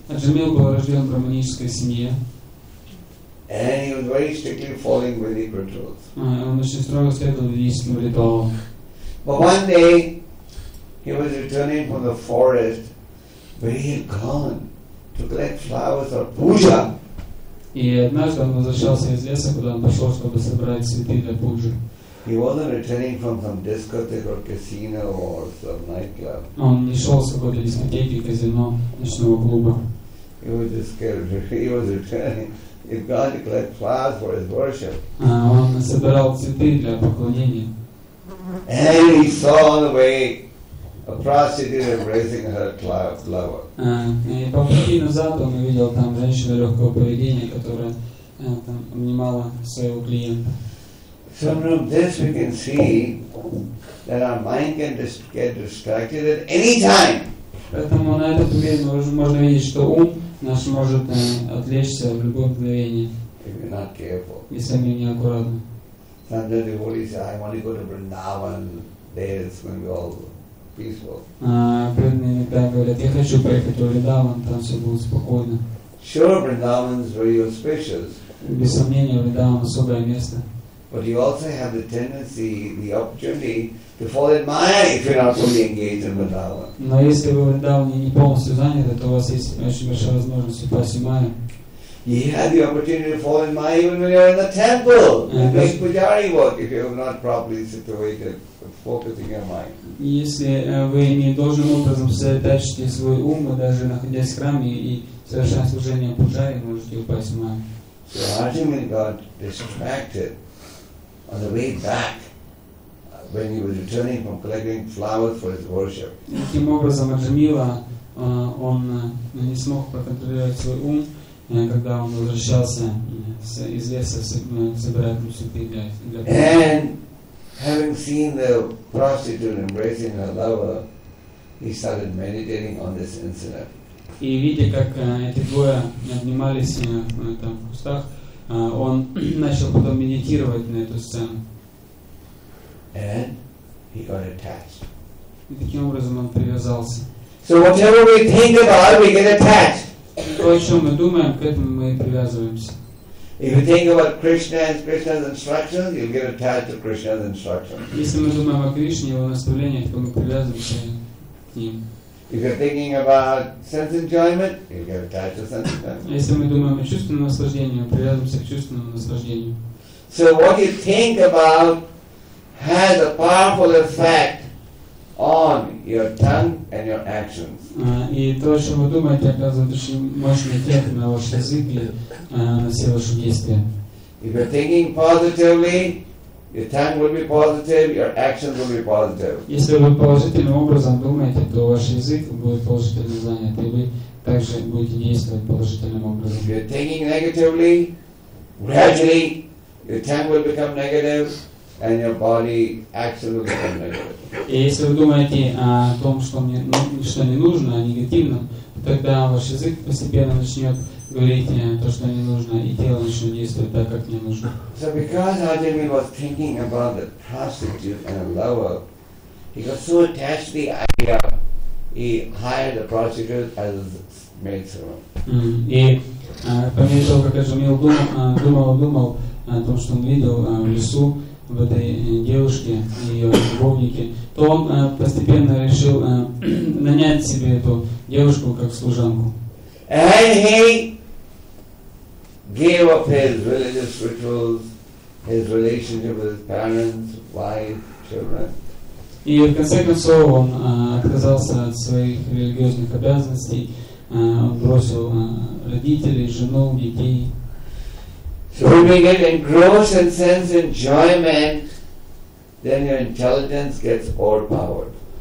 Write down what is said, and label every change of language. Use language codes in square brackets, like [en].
[en] And he was very strictly following Vedic rituals. But one day, he was returning from the forest where he had gone to collect flowers for puja. [ru] И однажды он возвращался из леса, куда он пошел, чтобы собрать цветы для пуджи. [en] He wasn't returning from some discotheque or casino or some nightclub. [ru] Он не шел с какой-то дискотеки, казино, ночного клуба. [en] He was just scared. He was returning. He'd gone to collect flowers for his worship. [ru] Он собирал цветы для поклонения. [en] And he saw on the way a prostitute embracing her lover. [ru] И по пути назад он увидел там женщину легкого поведения, которая там обнимала своего клиента. [en] So from this we can see that our mind can get distracted at any time. [ru] Поэтому на этот момент можно видеть, что ум наш может отвлечься в любое мгновение. [en] If you're not careful. [ru] Если мы не аккуратны. [en] Sometimes the devotee says, I want to go to Vrindavan, there it's going to be all peaceful. Sure, Vrindavan is very auspicious. [ru] Без сомнения, Vrindavan особое место. [en] but you also have the tendency, the opportunity to fall in Maya if you're not fully engaged in Vrindavan. [ru] Но если вы в Вриндаване не полностью заняты, то у вас есть очень большая возможность упасть в Майя. [en] You have the opportunity to fall in Maya even when you're in the temple. And make pujari work if you're not properly situated, focusing your mind. [ru] Если вы не должным образом сосредоточите свой ум, даже находясь в храме и совершая служение пуджари, можете упасть в Майя. [en] So Arjuna got distracted on the way back when he was returning from collecting flowers for his worship. [ru] Таким образом, Арджамила, он не смог проконтролировать свой ум, когда он возвращался из леса, собирая цветы для. [en] And having seen the prostitute embracing her lover, he started meditating on this incident. [ru] И видя, как эти двое обнимались там, в кустах, он начал потом медитировать на эту сцену. [en] And he got attached. [ru] И таким образом он привязался. [en] So whatever we think about, we get attached. [ru] То, о чем мы думаем, к этому мы и привязываемся. [en] If you think about Krishna and Krishna's instructions, you'll get attached to Krishna's instructions. [ru] Если мы думаем о Кришне и его наставлениях, то мы привязываемся к ним. [en] If you're thinking about sense enjoyment, you get attached to sense enjoyment. [ru] Если мы думаем о чувственном наслаждении, привязываемся к чувственному наслаждению. [en] So what you think about has a powerful effect on your tongue and your actions. [ru] И то, что вы думаете, оказывает очень мощный эффект на ваш язык и на все ваши действия. [en] If you're thinking positively, your tongue will be positive, your actions will be positive. [ru] Если вы положительным образом думаете, то ваш язык будет положительно занят, и вы также будете действовать положительным образом. [en] If you're thinking negatively, gradually your tongue will become negative, and your body action will become negative. [ru] И если вы думаете о том, что мне что не нужно, а негативно, тогда ваш язык постепенно начнет говорить то, что не нужно, и тело начнет действовать так, как не нужно. [en] So because Arjuna was thinking about the prostitute and a lover, he got so attached to the idea, he hired the prostitute as a maidservant. [ru] И по мере того, как Арджуна думал о том, что он видел в лесу, в этой девушке, ее любовнике, то он постепенно решил нанять себе эту девушку как служанку. [en] And he gave up his religious rituals, his relationship with his parents, wife, children. [ru] И в конце концов он отказался от своих религиозных обязанностей, бросил родителей, жену, детей. [en] So when we get engrossed in sense enjoyment, then your intelligence gets overpowered.